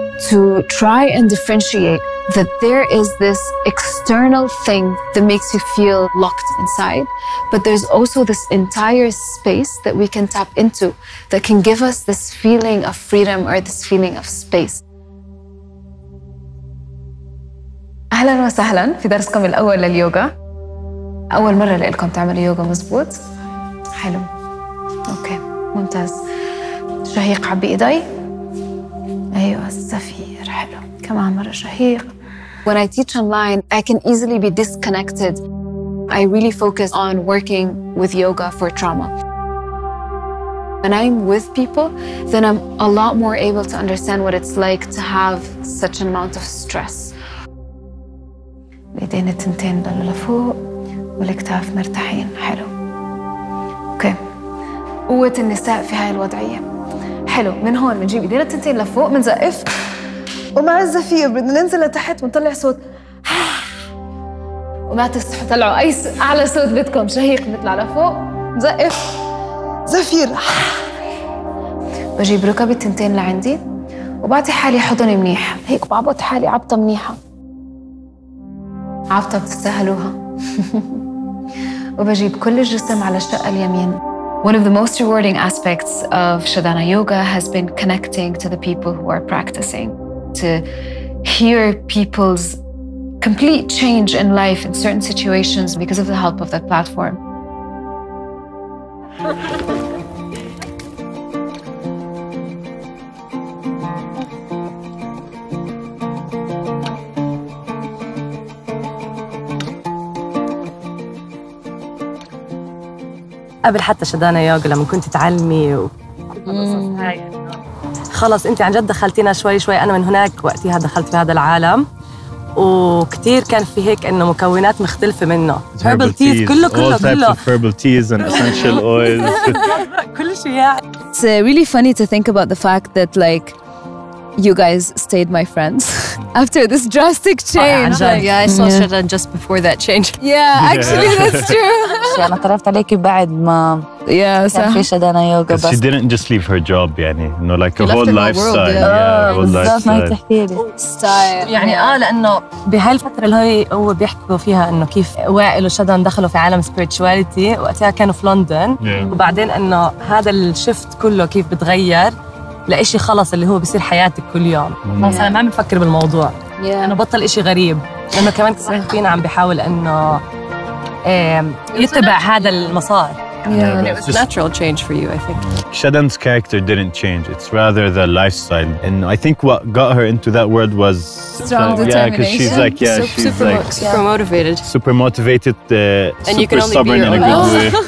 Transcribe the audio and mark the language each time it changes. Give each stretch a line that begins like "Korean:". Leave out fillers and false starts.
English: To try and differentiate that there is this external thing that makes you feel locked inside, but there's also this entire space that we can tap into that can give us this feeling of freedom or this feeling of space.
Arabic: اهلا وسهلا في درسكم الاول لليوغا. اول مره لكم تعملوا يوغا مزبوط؟ حلو. اوكي ممتاز. شهيق عبي ايدي. ايوه الزفير حلو. كمان مره شهيق.
English: When I teach online, I can easily be disconnected. I really focus on working with yoga for trauma. When I'm with people, then I'm a lot more able to understand what it's like to have such an amount of stress.
Arabic: الايدين التنتين دول لفوق والاكتاف مرتاحين حلو. اوكي قوة النساء في هاي الوضعية حلو. من هون بنجيب ايدين التنتين لفوق بنزقف ومع الزفير بدنا ننزل لتحت ونطلع صوت وما تستحوا طلعوا اي اعلى صوت بدكم. شهيق بنطلع لفوق نزقف زفير بجيب ركبي التنتين لعندي وبعطي حالي حضني منيح هيك بعبط حالي عبطة منيحة عبطة بتستاهلوها وبجيب كل الجسم على الشقة اليمين.
English: One of the most rewarding aspects of Shadana yoga has been connecting to the people who are practicing, to hear people's complete change in life in certain situations because of the help of that platform.
Arabic: قبل حتى شدانا يوغا لما كنت تعلمي خلص انت عن جد دخلتينا شوي شوي. انا من هناك وقتها دخلت في هذا العالم وكثير كان في هيك انه مكونات مختلفه منه
English: herbal teas
Arabic: كله كله كله
English: all types of herbal teas and essential oils
Arabic: كل شيء.
English: It's really funny to think about the fact that like you guys stayed my friends after this drastic change. Yeah, I saw Shadan just before that change. Yeah, actually, that's true.
Arabic: أنا طرفت عليك بعد ما كان في شادانا يوغا.
English: But she didn't just leave her job,
Arabic: يعني,
English: you know, like a whole lifestyle. Yeah, whole lifestyle.
Arabic: يعني لأنه بهاي الفترة اللي هو بيحكوا فيها إنه كيف وائل وشادان دخلوا في عالم spirituality وقتها كانوا في لندن وبعدين إنه هذا الشفت كله كيف بتغير لإشي خلص اللي هو بصير حياتك كل يوم. مثلا ما بنفكر بالموضوع انه بطل إشي غريب لانه كمان كثير فينا عم بحاول انه يتبع هذا المسار.
English: Yeah, it was a natural change for you, I think. Shadan's character didn't change. It's rather the lifestyle. And I think what got her into that world was... strong determination. Yeah, because she's like, yeah, so, she's super like... super motivated. Super motivated, and super stubborn in a good way.